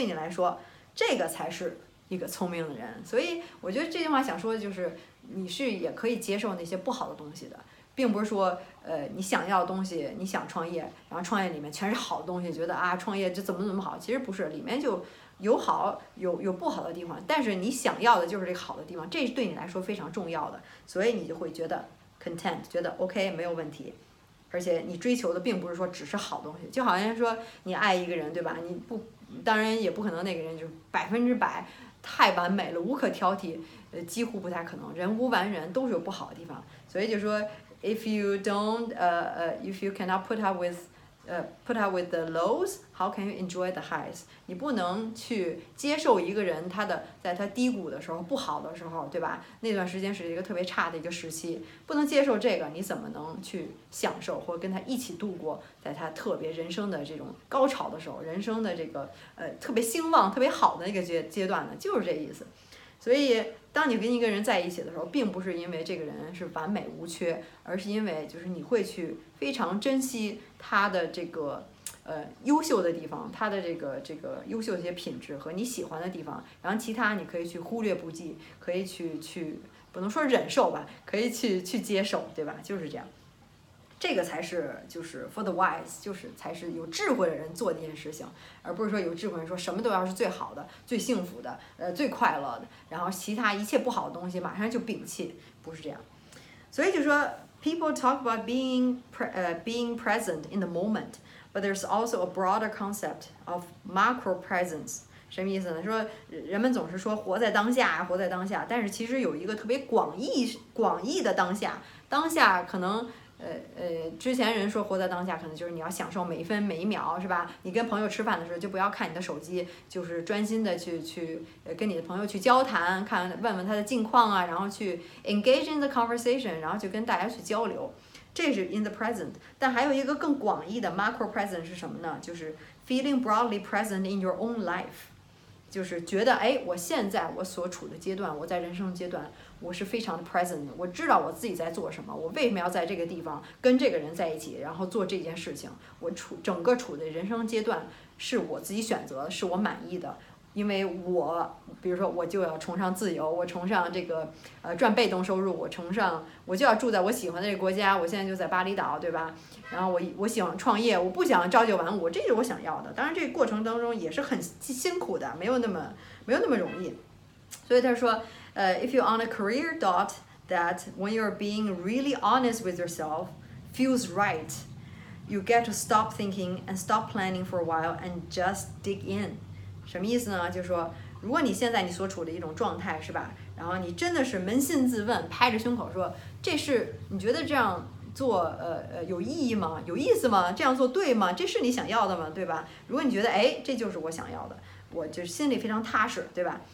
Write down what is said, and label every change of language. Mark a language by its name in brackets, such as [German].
[Chinese] 对你来说这个才是一个聪明的人。所以我觉得这句话想说的就是你是也可以接受那些不好的东西的，并不是说你想要的东西，你想创业，然后创业里面全是好的东西，觉得啊创业就怎么怎么好，其实不是，里面就有好有不好的地方，但是你想要的就是这个好的地方，这是对你来说非常重要的，所以你就会觉得 content， 觉得 OK 没有问题，而且你追求的并不是说只是好东西，就好像说你爱一个人，对吧？你不，当然也不可能那个人就百分之百太完美了，无可挑剔，几乎不太可能，人无完人，都是有不好的地方。所以就说 [English] If you don't, if you cannot put up with the lows, how can you enjoy the highs? [Chinese] 你不能去接受一个人在他低谷的时候，不好的时候，对吧？那段时间是一个特别差的一个时期，不能接受这个，你怎么能去享受或跟他一起度过，在他特别人生的这种高潮的时候，人生的这个特别兴旺、特别好的一个阶段呢？就是这意思。所以当你跟一个人在一起的时候，并不是因为这个人是完美无缺，而是因为就是你会去非常珍惜他的这个优秀的地方，他的这个优秀的一些品质和你喜欢的地方，然后其他你可以去忽略不计，可以去不能说忍受吧，可以去接受，对吧？就是这样，这个才是就是 [English] for the wise， [Chinese] 就是才是有智慧的人做的一件事情，而不是说有智慧人说什么都要是最好的、最幸福的、最快乐的，然后其他一切不好的东西马上就摒弃，不是这样。所以就说 [English] people talk about being present in the moment， but there's also a broader concept of macro presence。 [Chinese] 什么意思呢？说人们总是说活在当下，活在当下，但是其实有一个特别广义的当下，当下可能。之前人说活在当下，可能就是你要享受每一分每一秒，是吧？你跟朋友吃饭的时候，就不要看你的手机，就是专心的去跟你的朋友去交谈，看问问他的近况啊，然后去 [English] engage in the conversation， [Chinese] 然后去跟大家去交流，这是 [English] in the present。 [Chinese] 但还有一个更广义的 [English] macro present [Chinese] 是什么呢？就是 [English] feeling broadly present in your own life， [Chinese] 就是觉得哎，我现在我所处的阶段，我在人生阶段我是非常的 present， 我知道我自己在做什么，我为什么要在这个地方跟这个人在一起，然后做这件事情，我处整个处的人生阶段是我自己选择，是我满意的。因为我比如说我就要崇尚自由，我崇尚这个赚被动收入，我崇尚我就要住在我喜欢的这个国家，我现在就在巴厘岛，对吧？然后我喜欢创业，我不想朝九晚五，这是我想要的。当然这个过程当中也是很辛苦的，没有那么容易。所以他说 [English] if you're on a career dot that when you're being really honest with yourself feels right, you get to stop thinking and stop planning for a while and just dig in。 [Chinese] 什么意思呢？就是说如果你现在你所处的一种状态是吧，然后你真的是扪心自问，拍着胸口说，这是你觉得这样做有意义吗？有意思吗？这样做对吗？这是你想要的吗？对吧？如果你觉得哎，这就是我想要的，我就心里非常踏实，对吧？